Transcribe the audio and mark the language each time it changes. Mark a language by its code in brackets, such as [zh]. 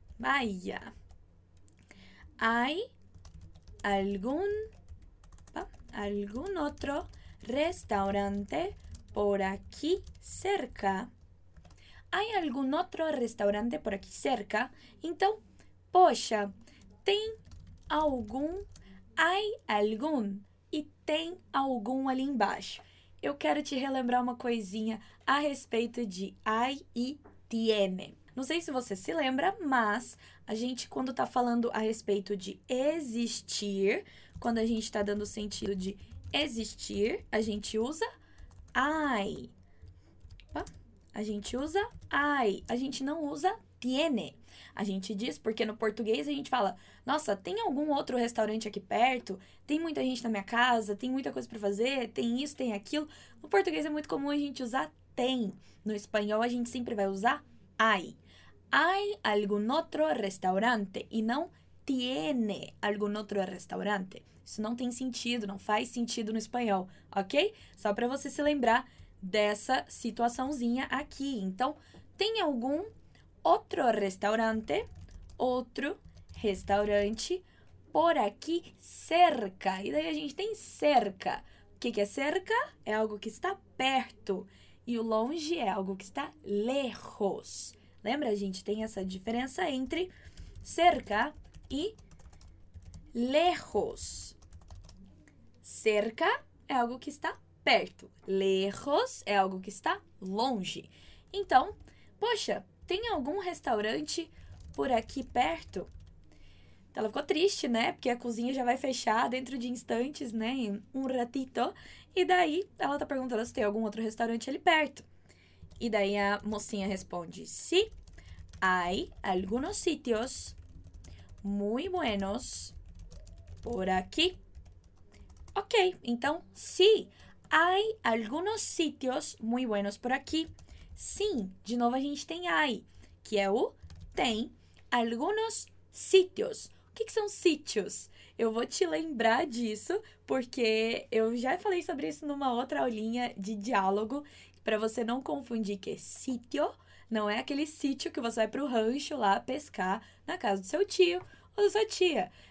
[es] Vaya, ¿hay algún otro restaurante por aquí cerca? ¿Hay algún otro restaurante por aquí cerca? [pt] Então, poxa, tem algum, hay algún, e tem algum ali embaixo. Eu quero te relembrar uma coisinha a respeito de ai e tiene. Não sei se você se lembra, mas a gente, quando está falando a respeito de existir, quando a gente está dando sentido de existir, a gente usa ai. Opa. A gente usa ai. A gente não usa tiene. A gente diz porque no português a gente fala: nossa, tem algum outro restaurante aqui perto? Tem muita gente na minha casa, tem muita coisa para fazer, tem isso, tem aquilo. No português é muito comum a gente usar tem. No espanhol a gente sempre vai usar hay. [es] Hay algún otro restaurante [pt] e não [es] tiene algún otro restaurante. [pt] Isso não tem sentido, não faz sentido no espanhol, ok? Só para você se lembrar dessa situaçãozinha aqui. Então, tem algum outro restaurante, outro restaurante por aqui cerca. E daí a gente tem cerca. O que é cerca? É algo que está perto. E o longe é algo que está lejos. Lembra? A gente tem essa diferença entre cerca e lejos. Cerca é algo que está perto. Lejos é algo que está longe. Então, poxa, tem algum restaurante por aqui perto? Ela ficou triste, né? Porque a cozinha já vai fechar dentro de instantes, né? [es] Um ratito. [pt] E daí ela tá perguntando se tem algum outro restaurante ali perto. E daí a mocinha responde: [es] sí, hay algunos sitios muy buenos por aquí. [pt] Ok, então, [es] sí, hay algunos sitios muy buenos por aquí. [pt] Sim, de novo a gente tem hay. Que é o tem algunos sítios. O que que são sítios? Eu vou te lembrar disso, porque eu já falei sobre isso numa outra aulinha de diálogo, para você não confundir que sítio não é aquele sítio que você vai para o rancho lá pescar na casa do seu tio ou da sua tia.